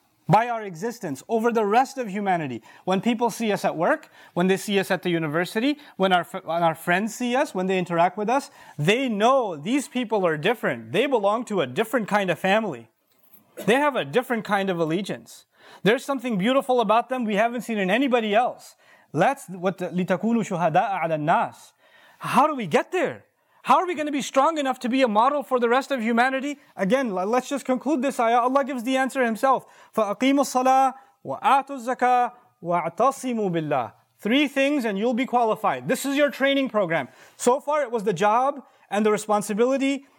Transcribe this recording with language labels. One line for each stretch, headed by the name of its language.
English: By our existence, over the rest of humanity. When people see us at work, when they see us at the university, when our friends see us, when they interact with us, they know these people are different. They belong to a different kind of family. They have a different kind of allegiance. There's something beautiful about them we haven't seen in anybody else. That's what
Arabic: لِتَكُونُوا شُهَدَاءَ عَلَى النَّاسِ.
English: How do we get there? How are we going to be strong enough to be a model for the rest of humanity? Again, let's just conclude this ayah. Allah gives the answer himself.
Arabic: فَأَقِيمُوا الصَّلَاةَ وَآتُوا الزَّكَاةَ وَاعْتَصِمُوا بِاللَّهِ.
English: Three things and you'll be qualified. This is your training program. So far it was the job and the responsibility.